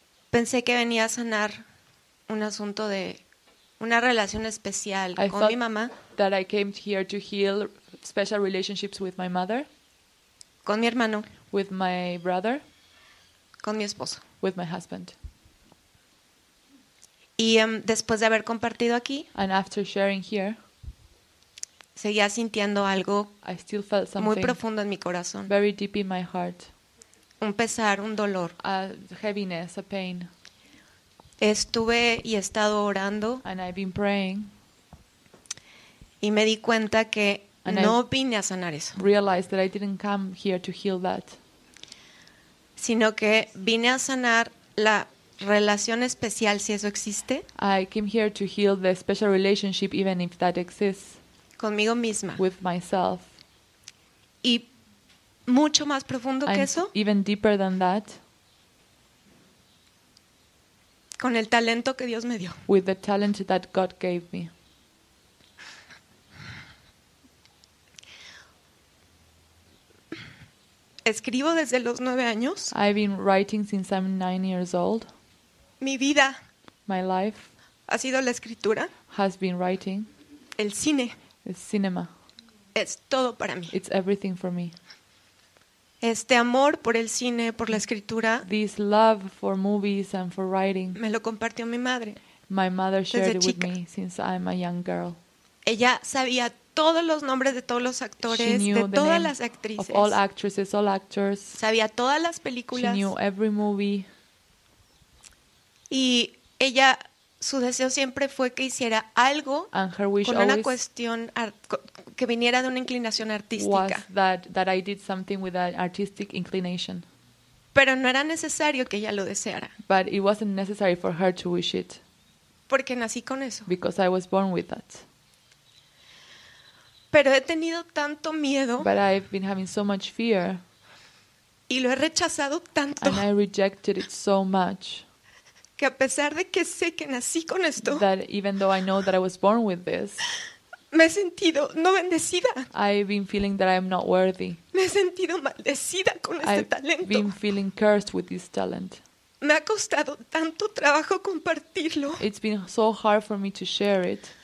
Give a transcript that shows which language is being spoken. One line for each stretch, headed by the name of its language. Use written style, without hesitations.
Spanish: pensé que venía a sanar un asunto de una relación especial con mi mamá.
English: That I came here to heal special relationships with my mother.
Spanish: Con mi hermano.
English: With my brother.
Spanish: Con mi esposo.
English: With my husband.
Spanish: Y después de haber compartido aquí,
English: and after sharing here,
Spanish: seguía sintiendo algo,
English: I still felt something
Spanish: muy profundo en mi corazón.
English: Very deep in my heart.
Spanish: Un pesar, un dolor.
English: A heaviness, a pain.
Spanish: Estuve y he estado orando.
English: And I've been praying.
Spanish: Y me di cuenta que no vine a sanar eso.
English: Realized that I didn't come here to heal that.
Spanish: Sino que vine a sanar la relación especial, si eso existe.
English: I came here to heal the special relationship, even if that exists.
Spanish: Conmigo misma.
English: With myself.
Spanish: Y mucho más profundo
English: and
Spanish: que eso.
English: Even deeper than that.
Spanish: Con el talento que Dios me dio.
English: With the talent that God gave me.
Spanish: Escribo desde los 9 años.
English: I've been writing since I'm 9 years old.
Spanish: Mi vida.
English: My life.
Spanish: Ha sido la escritura.
English: Has been writing.
Spanish: El cine.
English: The cinema.
Spanish: Es todo para mí.
English: It's everything for me.
Spanish: Este amor por el cine, por la escritura.
English: This love for movies and for writing.
Spanish: Me lo compartió mi madre.
English: My mother shared it with me since I'm a young girl.
Spanish: Ella sabía todos los nombres de todos los actores,
English: she knew
Spanish: de
English: the
Spanish: todas
English: name
Spanish: las actrices.
English: Of all actresses, all actors.
Spanish: Sabía todas las películas.
English: She knew every movie.
Spanish: Y ella, su deseo siempre fue que hiciera algo
English: and her wish
Spanish: con una cuestión que viniera de una inclinación artística.
English: Was that I did something with an artistic inclination.
Spanish: Pero no era necesario que ella lo deseara.
English: But it wasn't necessary for her to wish it.
Spanish: Porque nací con eso.
English: Because I was born with that.
Spanish: Pero he tenido tanto miedo.
English: But I've been having so much fear.
Spanish: Y lo he rechazado tanto.
English: And I rejected it so much.
Spanish: Que a pesar de que sé que nací con esto.
English: That even though I know that I was born with this.
Spanish: Me he sentido no bendecida.
English: I've been feeling that I'm not worthy.
Spanish: Me he sentido maldecida con
English: I've
Spanish: este talento.
English: I've been feeling cursed with this talent.
Spanish: Me ha costado tanto trabajo compartirlo.
English: It's been so hard for me to share it.